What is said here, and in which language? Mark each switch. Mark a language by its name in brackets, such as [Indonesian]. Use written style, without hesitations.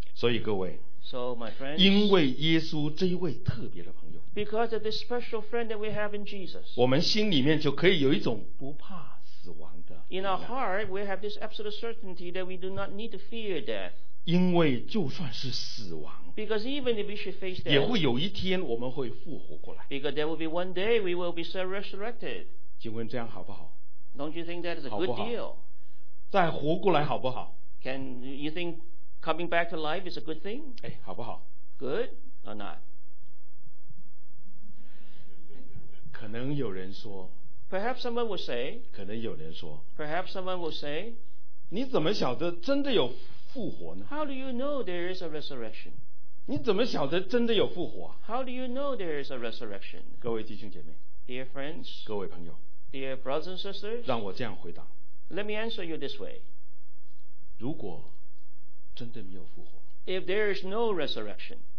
[Chinese] 所以各位， [English] so my friends, [Chinese] 因为耶稣这一位特别的朋友， [English] because of this special friend that we have in Jesus, [Chinese] 我们心里面就可以有一种不怕死亡的。 [English] In our heart, we have this absolute certainty that we do not need to fear death. [Chinese] 因为就算是死亡， [English] because even if we should face death, [Chinese] 也会有一天我们会复活过来。 [English] Because there will be one day we will be resurrected. [Chinese] 请问这样好不好？ [English] Don't you think that is a good deal? [Chinese] 再活过来好不好？ [English] Can you think coming back to life is a good thing? [Chinese] 哎，好不好？ [English] Good or not? [Chinese] 可能有人说。 [English] Perhaps someone will say. [Chinese] 可能有人说。 [English] Perhaps someone will say. [Chinese] 你怎么晓得真的有复活呢？ [English] How do you know there is a resurrection? [Chinese] 你怎么晓得真的有复活？ [English] How do you know there is a resurrection? [Chinese] 各位弟兄姐妹。 [English] Dear friends. [Chinese] 各位朋友。 [English] Dear brothers and sisters. [Chinese] 让我这样回答。 [English] Let me answer you this way. [Chinese] 如果真的没有复活， [English] If there is no resurrection,